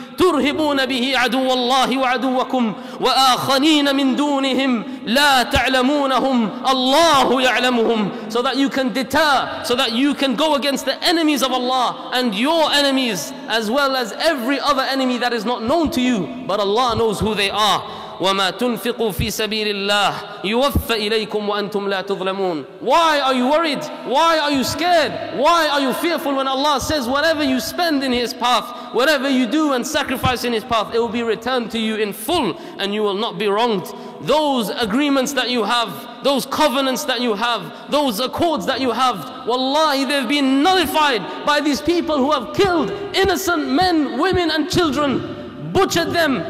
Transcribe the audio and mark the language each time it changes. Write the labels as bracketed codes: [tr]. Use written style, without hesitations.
[ar] تُرْهِبُونَ بِهِ عَدُوَّ اللَّهِ وَعَدُوَّكُمْ وَآخَنِينَ مِنْ دُونِهِمْ لَا تَعْلَمُونَهُمْ اللَّهُ يَعْلَمُهُمْ [en] So that you can deter, so that you can go against the enemies of Allah and your enemies, as well as every other enemy that is not known to you, but Allah knows who they are. [ar] وَمَا تُنْفِقُوا فِي سَبِيلِ اللَّهِ يُوَفَّ إِلَيْكُمْ وَأَنْتُمْ لَا تُظْلَمُونَ [en] Why are you worried? Why are you scared? Why are you fearful when Allah says, whatever you spend in His path, whatever you do and sacrifice in His path, it will be returned to you in full and you will not be wronged. Those agreements that you have, those covenants that you have, those accords that you have, wallahi, they've been nullified by these people who have killed innocent men, women and children. Butchered them.